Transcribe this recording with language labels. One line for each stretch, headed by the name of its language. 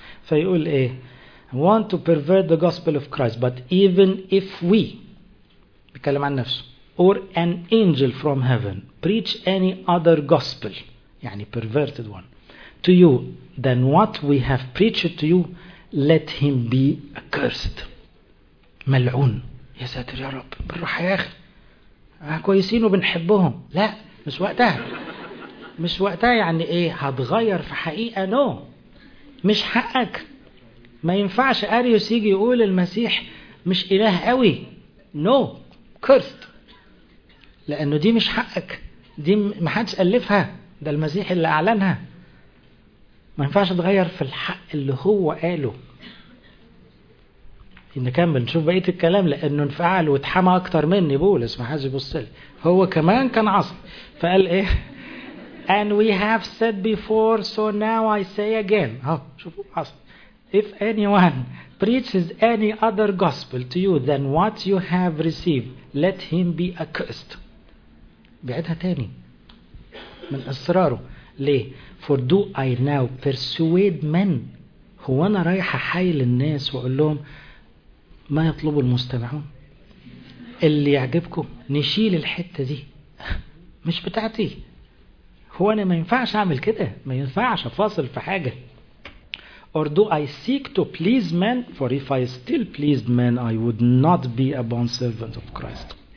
Arabic: فيقول ايه،
English: want to pervert the gospel of Christ but even if we،
Arabic: بيتكلم عن نفسه،
English: or an angel from heaven preach any other gospel،
Arabic: يعني
English: perverted one to you than what we have preached to you let him be accursed،
Arabic: ملعون. يا ساتر يا رب، بالراحة يا أخي، كويسين وبنحبهم، لا مش وقتها، مش وقتها. يعني إيه هتغير في حقيقة؟
English: no,
Arabic: مش حقك. ما ينفعش أريوس يجي يقول المسيح مش إله قوي،
English: no Christ,
Arabic: لأنه دي مش حقك، دي محدش ألفها، ده المسيح اللي أعلنها. ما ينفعش تغير في الحق اللي هو قاله. نكمل نشوف بقية الكلام، لأنه انفعل واتحمى أكتر مني بولس، ما حدش يبصلي، هو كمان كان عصب. فقال إيه،
English: and we have said before so now I say again،
Arabic: ها شوفوا عصب،
English: if anyone preaches any other gospel to you than what you have received let him be accursed.
Arabic: بعدها تاني من إصراره ليه،
English: for do I now persuade men،
Arabic: هو أنا رايح أحايل الناس وأقول لهم ما يطلبوا المستمعون، اللي يعجبكم نشيل الحتة دي مش بتاعتي، هو أنا ما ينفعش أعمل كده، ما ينفعش أفاصل في حاجة.
English: Or do I seek to please men for if I still pleased men I would not be a bond servant of Christ.